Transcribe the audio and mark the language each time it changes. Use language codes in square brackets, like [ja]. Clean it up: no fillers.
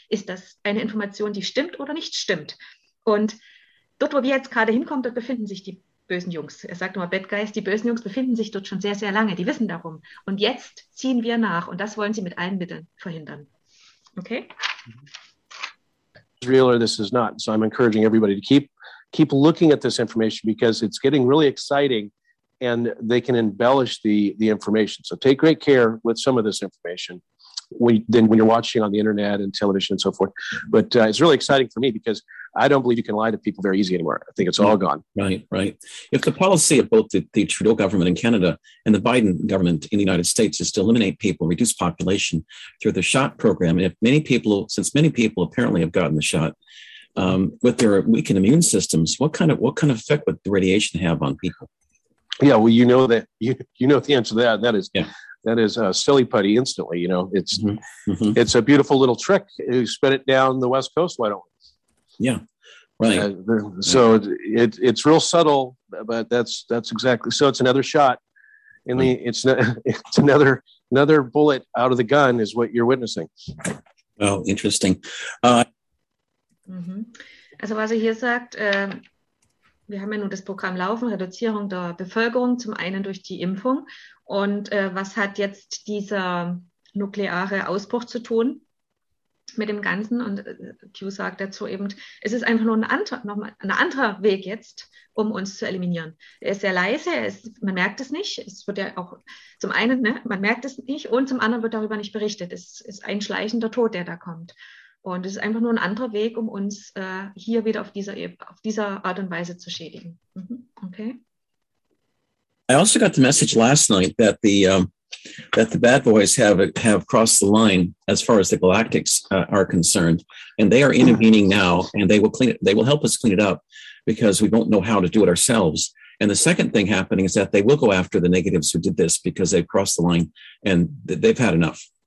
[de] Ist das eine Information, die stimmt oder nicht stimmt? Und dort, wo wir jetzt gerade hinkommen, dort befinden sich die bösen Jungs. Er sagt immer Bad Guys, die bösen Jungs befinden sich dort schon sehr, sehr lange. Die wissen darum. Und jetzt ziehen wir nach. Und das wollen sie mit allen Mitteln verhindern. [en] Okay? This is real or this is not. So I'm encouraging everybody to keep looking at this information, because it's getting really exciting and they can embellish the information. So take great care with some of this information when you're watching on the internet and television and so forth. But it's really exciting for me, because I don't believe you can lie to people very easy anymore. I think it's all gone. Right, right. If the policy of both the Trudeau government in Canada and the Biden government in the United States is to eliminate people, reduce population through the shot program, and since many people apparently have gotten the shot, with their weakened immune systems, what kind of effect would the radiation have on people? Yeah, well, you know the answer to that. That is silly putty instantly. You know, it's mm-hmm. it's a beautiful little trick. You spread it down the West Coast. Why don't we? Yeah, right. It's real subtle, but that's exactly. So it's another shot in right. it's another bullet out of the gun is what you're witnessing. Oh, interesting. [de] Also was er hier sagt, wir haben ja nun das Programm laufen, Reduzierung der Bevölkerung zum einen durch die Impfung. Und was hat jetzt dieser nukleare Ausbruch zu tun mit dem Ganzen? Und Q sagt dazu eben, es ist einfach nur ein anderer Weg jetzt, um uns zu eliminieren. Er ist sehr leise, man merkt es nicht. Es wird ja auch zum einen, ne, man merkt es nicht, und zum anderen wird darüber nicht berichtet. Es ist ein schleichender Tod, der da kommt. Und es ist einfach nur ein anderer Weg, um uns hier wieder auf dieser Art und Weise zu schädigen. [en] Okay. I also got the message last night that the bad boys have crossed the line as far as the galactics are concerned, and they are intervening now, and they will clean it. They will help us clean it up, because we won't know how to do it ourselves. And the second thing happening is that they will go after the negatives who did this, because they've crossed the line and they've had enough.